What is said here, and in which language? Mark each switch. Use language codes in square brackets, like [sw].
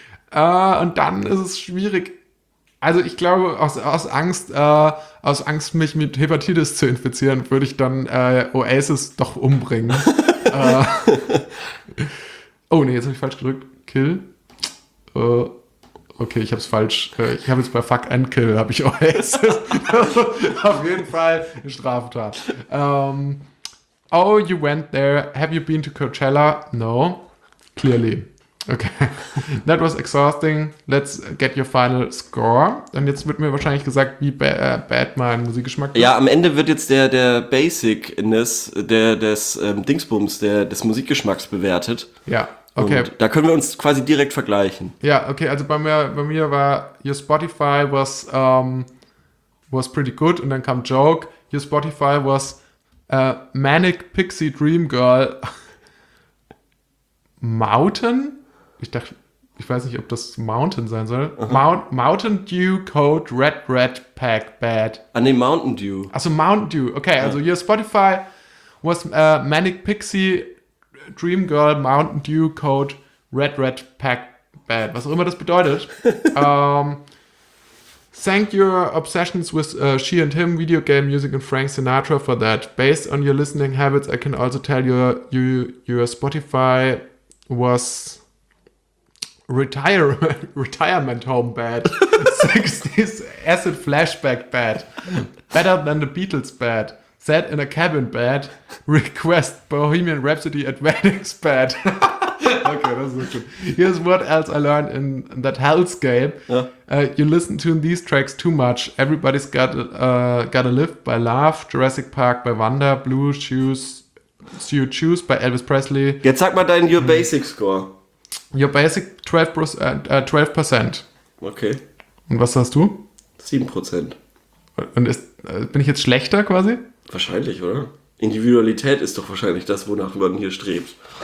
[de] Und dann ist es schwierig. Also ich glaube, aus Angst, mich mit Hepatitis zu infizieren, würde ich dann Oasis doch umbringen. jetzt habe ich falsch gedrückt. Kill. Okay, ich habe es falsch. Ich habe jetzt bei Fuck and Kill, habe ich Oasis. Auf jeden Fall eine Straftat. [en] You went there. Have you been to Coachella? No. Clearly. Okay, that was exhausting. Let's get your final score. [de] Und jetzt wird mir wahrscheinlich gesagt, wie bad mein Musikgeschmack ist. Ja, am Ende wird jetzt der Basicness des Dingsbums, des Musikgeschmacks bewertet. Ja, okay. Und da können wir uns quasi direkt vergleichen. Ja, okay, also bei mir war your Spotify was pretty good, und dann kam Joke. [en] Your Spotify was a manic pixie dream girl. Mountain? [de] Ich weiß nicht, ob das Mountain sein soll. [en] Mountain Dew Code Red Red Pack Bad. [de] Ah, nee, Mountain Dew. Achso, Mountain Dew. Okay, ja. [en] Also your Spotify was Manic Pixie Dream Girl Mountain Dew Code Red Red Pack Bad. [de] Was auch immer das bedeutet. [en] Thank your obsessions with She and Him, video game music, and Frank Sinatra for that. Based on your listening habits, I can also tell your Spotify was retirement home bad, 60s acid flashback bad, better than the Beatles bad, sat in a cabin bad, request Bohemian Rhapsody at weddings bad. Okay, das ist gut. Here's what else I learned in that hellscape. Ja. You listen to these tracks too much. Everybody's got a lift by Love, Jurassic Park by Wanda, Blue Shoes. So You Choose by Elvis Presley. [de] Jetzt sag mal deinen Your Basic Score. [en] Your Basic 12%. Okay. [de] Und was hast du? 7%. Und bin ich jetzt schlechter quasi? Wahrscheinlich, oder? Individualität ist doch wahrscheinlich das, wonach man hier strebt.